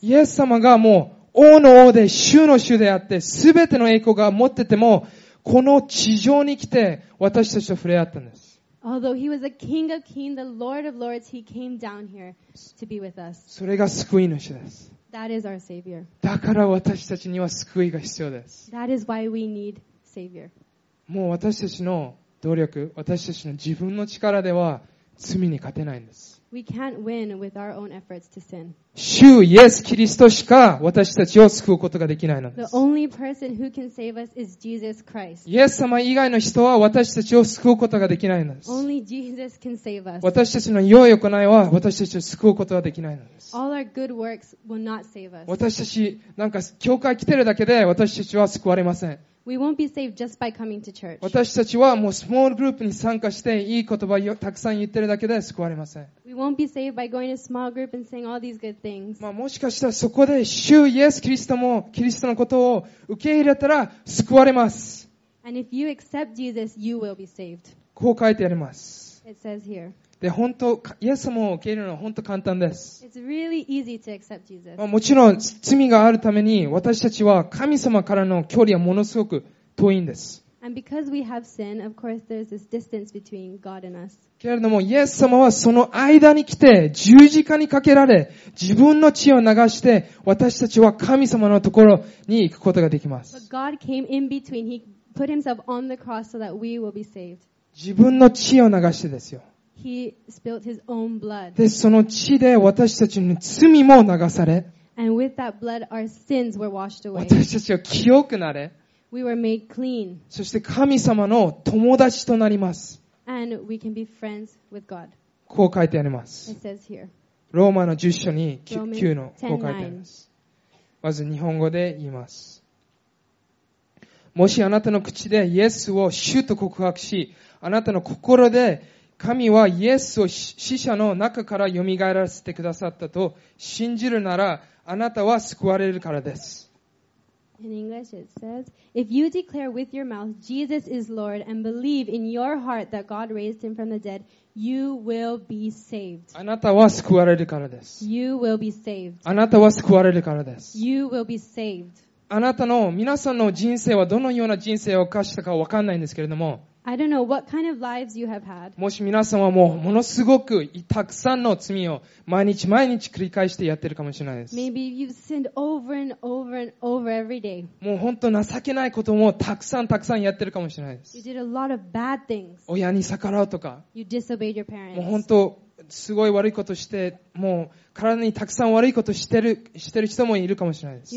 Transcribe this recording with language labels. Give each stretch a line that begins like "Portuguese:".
Japanese: イエス様がもう王の王で、主の主であって、すべての栄光が持ってても、この地上に来て私たちと触れ合ったんです。
English: Although he was a king of kings, the Lord of lords, he came down here to be with us.
Japanese: それが救い主です。
English: That is our savior.
Japanese: だから私たちには救いが必要です。
English: That is why we need savior.
Japanese: もう私たちの努力、私たちの自分の力では罪に勝てないんです。
English: We can't win with our own efforts to sin.
Japanese: 主イエス・キリストしか私たちを救うことができないのです。
English: The only person who can save us is Jesus Christ.
Japanese: イエス様以外の人は私たちを救うことができないのです。
English: Only Jesus can save us.
Japanese: 私たちの良い行いは私たちを救うことができないのです。
English: All our good works will not save us.
Japanese: 私たちなんか教会来てるだけで私たちは救われません。
English: We won't be saved just by coming to church.
Japanese: 私たちはもうスモールグループに参加していい言葉をたくさん言ってるだけで救われません。
English: We won't be saved by going to small group and saying all these good things.
Japanese: まあもしかしたらそこで主イエスキリストもキリストのことを受け入れたら救われます。
English: And if you accept Jesus, you will be saved.
Japanese: こう書いてあります。
English: It says here.
Japanese: で本当イエス様を受け入れるのは本当簡単です。
English: It's really easy to accept Jesus.
Japanese: もちろん罪があるために私たちは神様からの距離はものすごく遠いんです。
English: And because we have sin, of course, there's this distance between God and us.
Japanese: けれどもイエス様はその間に来て十字架にかけられ自分の血を流して私たちは神様のところに行くことができます。
English: But God came in between. He put himself on the cross so that we will be saved.
Japanese: 自分の血を流してですよ。
English: He spilled his own blood.
Japanese: で、その血で私たちの罪も流され、
English: And with that blood, our sins were washed away.
Japanese: 私たちは清くなれ、
English: We were made clean.
Japanese: そして神様の友達となります。
English: And we can be friends with God.
Japanese: こう書いてあります。
English: It says here.
Japanese: ローマの10章に 9のこう書いてあります。まず日本語で言います。もしあなたの口でイエスを主と告白し、あなたの心で神はイエスを死者の中から蘇らせてくださったと信じるなら、あなたは救われるからです。
English: In English it says, If you declare with your mouth Jesus is Lord and believe in your heart that God raised him from the dead, you will be saved.
Japanese: あなたは救われるからです。
English: You will be saved.
Japanese: あなたは救われるからです。
English: You will be saved.
Japanese: あなたの皆さんの人生はどのような人生を犯したかわかんないんですけれども、
English: I don't know what kind of lives you have had.
Japanese: もし皆さんはもうものすごくたくさんの罪を毎日毎日繰り返してやってるかもしれないです。
English: Maybe you've sinned over and over and over every day.
Japanese: もう本当情けないこともたくさんたくさんやってるかもしれないです。
English: You did a lot of bad things.
Japanese: 親に逆らうとか。
English: You disobeyed your parents.
Japanese: もう本当すごい悪いことして、もう体にたくさん悪いことしてる人もいるかもしれないです。